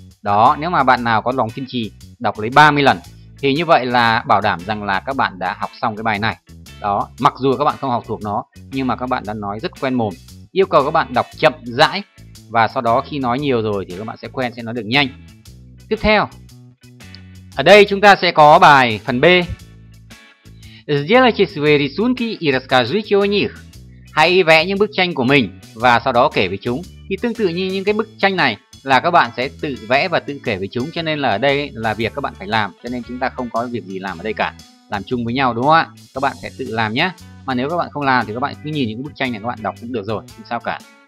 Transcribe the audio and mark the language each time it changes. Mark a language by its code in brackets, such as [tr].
[vi] Đó, nếu mà bạn nào có lòng kiên trì đọc lấy 30 lần thì như vậy là bảo đảm rằng là các bạn đã học xong cái bài này. Đó, mặc dù các bạn không học thuộc nó nhưng mà các bạn đã nói rất quen mồm. Yêu cầu các bạn đọc chậm rãi và sau đó khi nói nhiều rồi thì các bạn sẽ quen, sẽ nói được nhanh. Tiếp theo, ở đây chúng ta sẽ có bài phần B. [ru] Сделайте свои рисунки и расскажите о них. [vi] Hãy vẽ những bức tranh của mình và sau đó kể về chúng. Thì tương tự như những cái bức tranh này là các bạn sẽ tự vẽ và tự kể về chúng, cho nên là ở đây là việc các bạn phải làm, cho nên chúng ta không có việc gì làm ở đây cả. Làm chung với nhau đúng không ạ? Các bạn sẽ tự làm nhé. Mà nếu các bạn không làm thì các bạn cứ nhìn những bức tranh này các bạn đọc cũng được rồi, không sao cả.